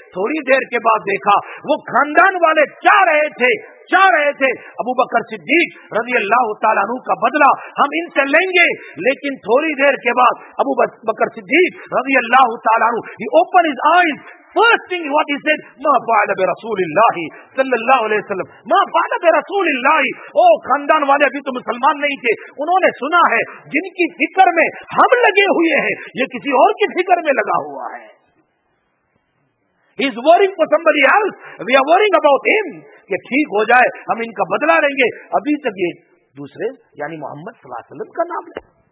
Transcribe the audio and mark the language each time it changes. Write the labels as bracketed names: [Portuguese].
[Urdu] تھوڑی دیر کے بعد دیکھا وہ خاندان والے چاہ رہے تھے ابو بکر صدیق رضی اللہ تعالیٰ عنہ کا بدلہ ہم ان سے لیں گے, لیکن تھوڑی دیر کے بعد ابو بکر صدیق رضی اللہ تعالیٰ عنہ [English] he opened his eyes, first thing what he said, [Arabic] ما فعل برسول اللہ [Urdu] صلی اللہ علیہ وسلم, ما فعل برسول اللہ. او خاندان والے ابھی تو مسلمان نہیں تھے, انہوں نے سنا ہے, جن کی فکر میں ہم لگے ہوئے ہیں یہ کسی اور کی فکر میں لگا ہوا ہے. [English] He is worrying for somebody else, we are worrying about him. [Urdu] کہ ٹھیک ہو جائے ہم ان کا بدلہ لیں گے, ابھی تک یہ دوسرے یعنی محمد صلی اللہ علیہ وسلم کا نام لے.